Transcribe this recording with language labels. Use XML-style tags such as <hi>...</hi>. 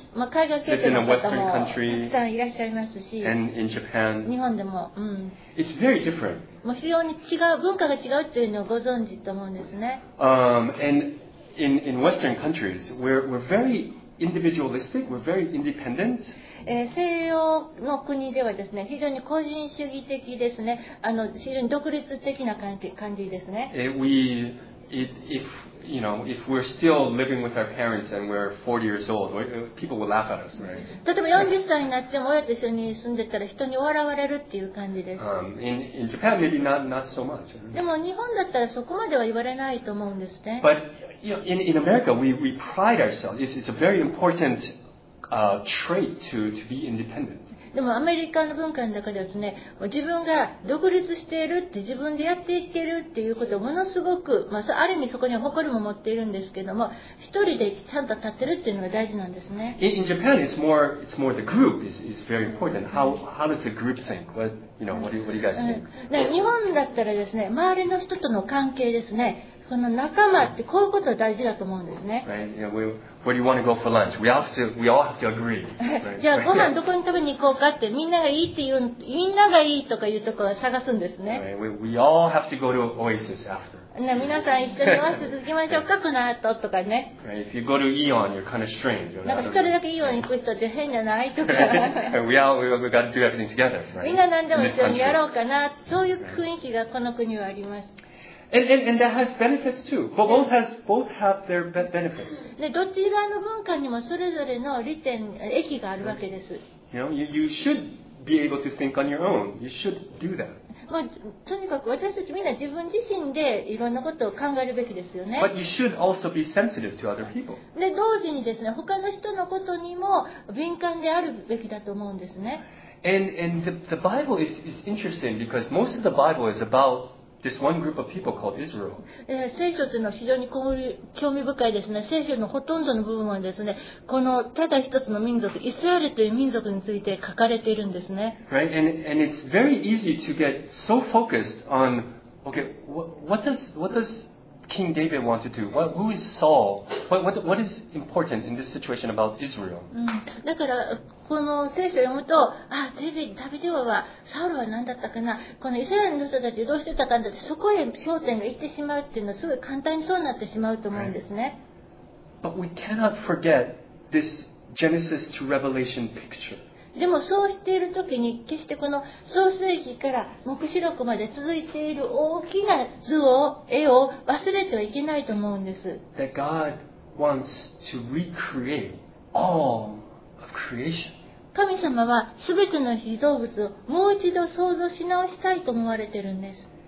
<ja>まあ海外経験の方もたくさんいらっしゃいますし、</ja> <en>and in Japan,</en> <ja>日本でも、うん、</ja> <en>it's very different.</en> <ja>もう非常に違う文化が違うというのをご存知と思うんですね。</ja> <en>And in Western countries, we're veryindividualistic, we're very independent.</en> <ja>西洋の国ではですね、非常に個人主義的ですね。非常に独立的な感じですね。</ja> <en>If we're still living with our parents and we're 40 years old, people will laugh at us, right?</en> <ja>例えば40歳になっても親と一緒に住んでたら人に笑われるっていう感じです。</ja> <en>In Japan, maybe not so much.</en> <ja>でも日本だったらそこまでは言われないと思うんですね。</ja> <en>But,You know, in America, we pride ourselves. It's a very important trait to be independent.</en> <ja>でもアメリカの文化の中ではですね、自分が独立しているって自分でやっていけるっていうことをものすごく、まあ、ある意味そこには誇りも持っているんですけども、一人でちゃんと立ってるっていうのが大事なんですね。</ja> <en>In Japan, it's more the group is very important. How does the group think? What do you guys think?</en> <ja>日本だったらですね、周りの人との関係ですね。この仲間ってこういうことが大事だと思うんですね。</ja> <en>Where do you want to go for lunch? We all have to agree.</en> <ja>じゃあご飯どこに食べに行こうかってみんながいいっていうみんながいいとかいうところを探すんですね。</ja> <en>We all have to go to Oasis after.</en> <ja>皆さん一緒にオアシス行きましょうかこの後とかね。</ja> <en>If you go to Eon, you're kind of strange.</en> <ja>なんか一人だけイオン行く人って変じゃないとか。</ja> <en>We got to do everything together.</en> <ja>みんな何でも一緒にやろうかなそういう雰囲気がこの国はあります。</ja> <en>And that has benefits too. But both have their benefits.</en> <ja>どちらの文化にもそれぞれの利点、益があるわけです。</ja> <en>You should be able to think on your own. You should do that.</en> <ja>まあ、とにかく私たちみんな自分自身でいろんなことを考えるべきですよね。</ja> <en>But you should also be sensitive to other people.</en> <ja>で、同時にですね、他の人のことにも敏感であるべきだと思うんですね。</ja> <en>And the Bible is interesting because most of the Bible is aboutThis one group of people called Israel.</en> <ja>聖書というのは非常に興味深いですね。聖書のほとんどの部分はですね、このただ一つの民族、イスラエルという民族について書かれているんですね。</ja> <en>Right, and it's very easy to get so focused on, okay, what does King David want to do? Who is Saul? What is important in this situation about Israel?</en> <ja>だからこの聖書を読むと、あ、デビデオはサウルは何だったかな、このイスラエルの人たちどうしてたかなって、そこへ焦点が行ってしまうっていうのはすごい簡単にそうなってしまうと思うんですね。</ja> <en>But we cannot forget this Genesis to Revelation picture.</en> <ja>でもそうしているときに決してこの創世記から黙示録まで続いている大きな図を絵を忘れてはいけないと思うんです。</ja> <en>That God wants to recreate all.</en> <ja>神様は全ての被造物をもう一度創造し直したいと思われているんです。</ja>